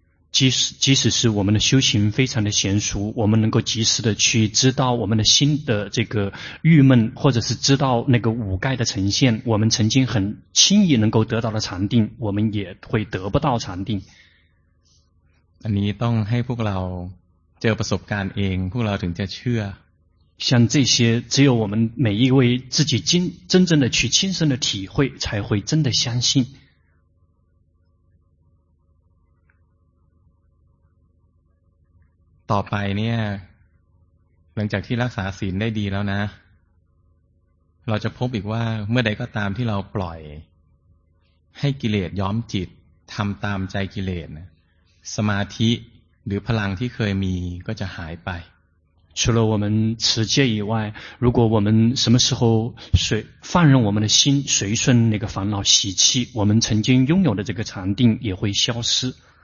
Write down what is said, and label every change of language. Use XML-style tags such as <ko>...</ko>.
<zh>即使是我们的修行非常的娴熟我们能够及时的去知道我们的心的这个郁闷或者是知道那个五盖的呈现我们曾经很轻易能够得到的禅定我们也会得不到禅定</zh> <th>อันนี้ต้องให้พวกเราเจอประสบการณ์เองพวกเราถึงจะเชื่อ</th> <zh>像这些只有我们每一位自己真正的去亲身的体会才会真的相信</zh> <th>ต่อไปเนี่ยหลังจากที่รักษาศีลได้ดีแล้วนะเราจะพบอีกว่าเมื่อใดก็ตามที่เราปล่อยให้กิเลสย้อมจิตทำตามใจกิเลสสมาธิหรือพลังที่เคยมีก็จะหายไป</th> <zh>除了我们持戒以外如果我们什么时候放任我们的心随顺那个烦恼习气我们曾经拥有的这个禅定也会消失</zh>